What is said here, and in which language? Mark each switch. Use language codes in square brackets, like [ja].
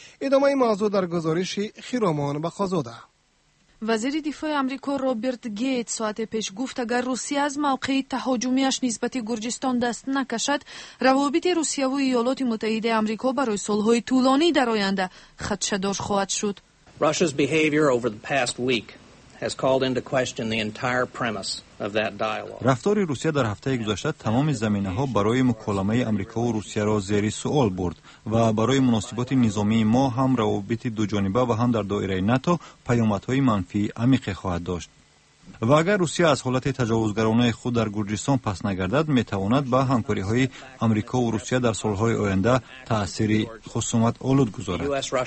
[fa] ادامه موضوع در گزارش خیرامان بخازاده. وزیر دفاع امریکا رابرت گیت ساعت پیش گفت اگر روسیه از موقع تهاجمیش نسبت گرجستان دست نکشد، روابط روسیه و ایالات متحده امریکا برای سالهای طولانی در آینده خدشه‌دار خواهد شد. [en] Russia's behavior over the past week has called into question the entire premise of that dialogue. [fa] رفتار روسیه در هفته گذشته تمام زمینه‌ها برای مکالمه امریکا و روسیه را زیر سوال برد و برای مناسبات نظامی ما هم روابط دو جانبه و هم در دایره ناتو پیامدهای منفی عمیق خواهد داشت. و اگر روسیه از حالت تجاوزگرانه خود در گرجستان پس نگردد، می تواند با همکاری های امریکا و روسیه در سالهای آینده تأثیر خصومت آلود گذارد.